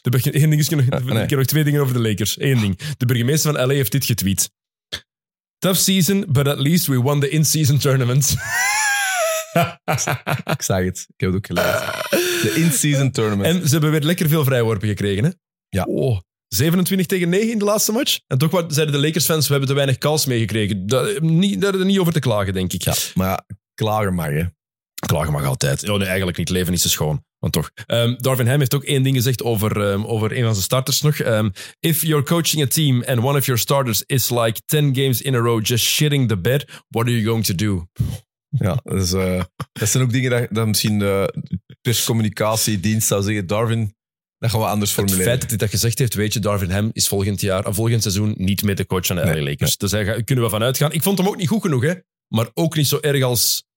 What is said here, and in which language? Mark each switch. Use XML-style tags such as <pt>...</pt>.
<nl>Ik heb nog twee dingen over de Lakers. Eén ding. De burgemeester van LA heeft dit getweet.</nl> <en>Tough season, but at least we won the in-season tournament.</en> <nl>Ik zag het. Ik heb het ook gelezen. De in-season tournament. En ze hebben weer lekker veel vrijworpen gekregen. Hè? Ja. Oh, 27 tegen 9 in de laatste match. En toch zeiden de Lakers-fans, we hebben te weinig calls meegekregen. Daar niet over te klagen, denk ik. Ja, maar ja, klagen mag, hè. Klagen mag altijd. Oh, nee, eigenlijk niet. Leven is te schoon. Want toch. Darvin Ham heeft ook één ding gezegd over een van zijn starters nog.</nl> <en>If you're coaching a team and one of your starters is like 10 games in a row just shitting the bed, what are you going to do?</en> <nl>Ja, dus, dat zijn ook dingen dat misschien de perscommunicatiedienst zou zeggen. Darvin, dat gaan we anders formuleren. Het feit dat hij dat gezegd heeft, weet je, Darvin Ham is volgend seizoen niet meer de coach van de LA Lakers. Nee. Dus daar kunnen we van uitgaan. Ik vond hem ook niet goed genoeg, hè. Maar ook niet zo erg als...</nl>